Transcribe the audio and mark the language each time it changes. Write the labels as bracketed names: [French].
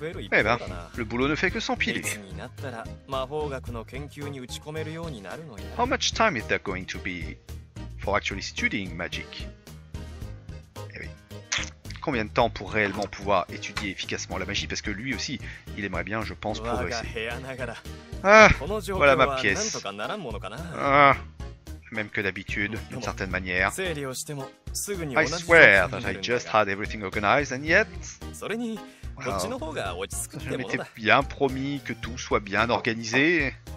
[French] Eh ben, le boulot ne fait que s'empiler. [English] How much time is that going to be for actually studying magic? [French] Eh oui. Combien de temps pour réellement pouvoir étudier efficacement la magie? Parce que lui aussi, il aimerait bien, je pense, progresser. Ah, voilà ma pièce. Ah, même que d'habitude, d'une certaine manière. [English] I swear that I just had everything organized and yet... [French] Je m'étais bien promis que tout soit bien organisé.